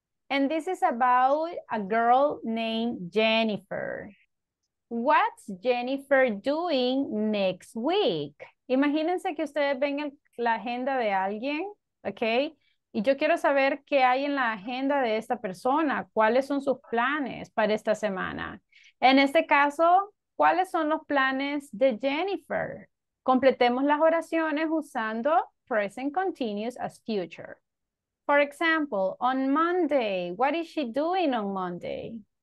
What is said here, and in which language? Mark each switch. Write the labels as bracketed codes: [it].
[en] And this is about a girl named Jennifer. What's Jennifer doing next week? [es] Imagínense que ustedes ven la agenda de alguien, okay? Y yo quiero saber qué hay en la agenda de esta persona. ¿Cuáles son sus planes para esta semana? En este caso, ¿cuáles son los planes de Jennifer? Completemos las oraciones usando present continuous as future. [en] For example, on Monday, what is she doing on Monday?